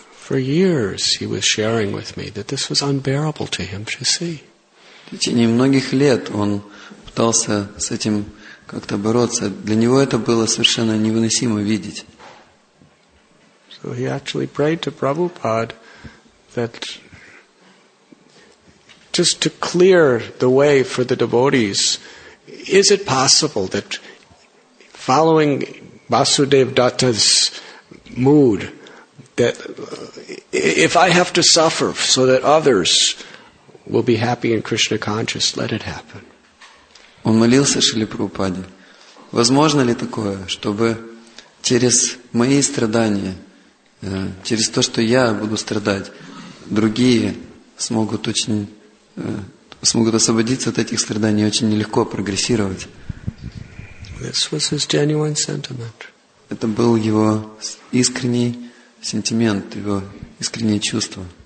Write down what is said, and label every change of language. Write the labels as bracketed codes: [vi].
[en] For years he was sharing with me that this was unbearable to him to see. [ru] В течение многих лет он пытался с этим как-то бороться. Для него это было совершенно невыносимо видеть. [en] So he actually prayed to Prabhupada that just to clear the way for the devotees, is it possible that following Vasudev Datta's mood, that if I have to suffer so that others will be happy and Krishna conscious, let it happen. [ru] Он молился Шриле Прабхупаде. Возможно ли такое, чтобы через мои страдания, через то, что я буду страдать, другие смогут очень смогут освободиться от этих страданий, очень нелегко прогрессировать? [en] This was his genuine sentiment. [ru] Это был его искренний сентимент, его искреннее чувство.